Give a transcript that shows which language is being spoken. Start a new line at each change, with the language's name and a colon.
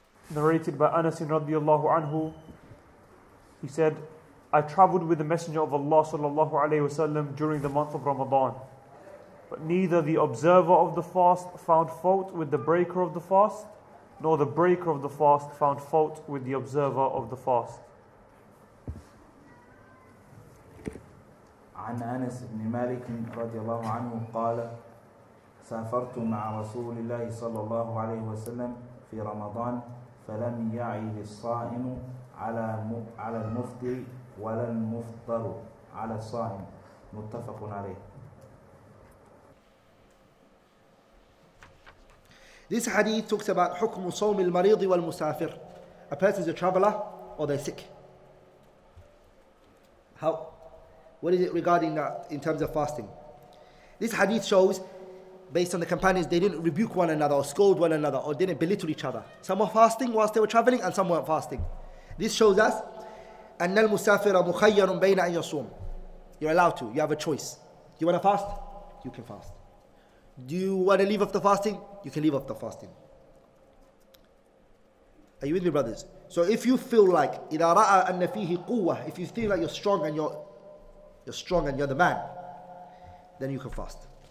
English: Narrated by Anas radiallahu anhu, he said, I traveled with the Messenger of Allah sallallahu alayhi wasallam during the month of Ramadan. But neither the observer of the fast found fault with the breaker of the fast, nor the breaker of the fast found fault with the observer of the fast.
Arabic: عن أنس بن مالك رضي الله عنه قال سافرت مع رسول الله صلى الله عليه وسلم في رمضان فلم يعي الصائم على المفطر ولا المفطر على الصائم متفق عليه.
English: This hadith talks about
Arabic: حكم صوم المريض والمسافر.
English: A person is a traveler or they're sick. How? What is it regarding that in terms of fasting? This hadith shows, based on the companions, they didn't rebuke one another or scold one another or didn't belittle each other. Some were fasting whilst they were traveling and some weren't fasting. This shows us,
Arabic: أن المسافر مخير بين أن يصوم.
English: You're allowed to, you have a choice. Do you want to fast? You can fast. Do you want to leave off the fasting? You can leave off the fasting. Are you with me, brothers? So if you feel like,
Arabic: إذا رأى أن فيه قوة,
English: if you feel like you're strong and you're strong and you're the man, then you can fast.